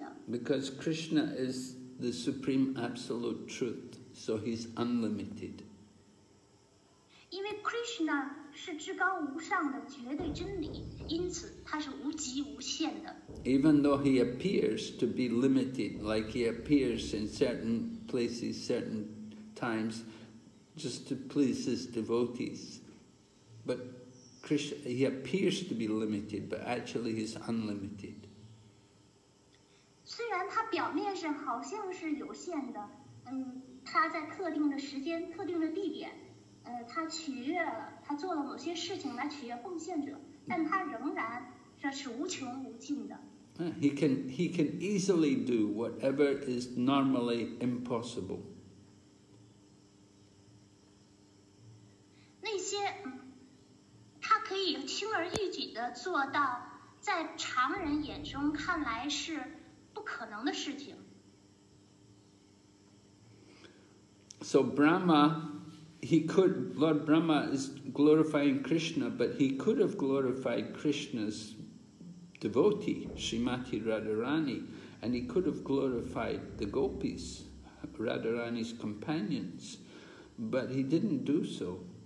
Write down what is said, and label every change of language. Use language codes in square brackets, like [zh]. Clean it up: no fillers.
[en] because Krishna is the Supreme Absolute Truth, so he's unlimited. [zh] 因为 Krishna 是至高无上的绝对真理，因此他是无极无限的。 [en] Even though he appears to be limited, like he appears in certain places, certain times, just to please his devotees, but Krishna, he appears to be limited, but actually he's unlimited. [zh] 虽然他表面上好像是有限的，他在特定的时间、特定的地点，他取悦了，他做了某些事情来取悦奉献者，但他仍然是无穷无尽的。 [en] He can easily do whatever is normally impossible. [zh] 那些，他可以轻而易举地做到在常人眼中看来是不可能的事情。 [en] So Brahma, he could, Lord Brahma is glorifying Krishna, but he could have glorified Krishna's devotee, Srimati Radharani, and he could have glorified the gopis, Radharani's companions, but he didn't do so.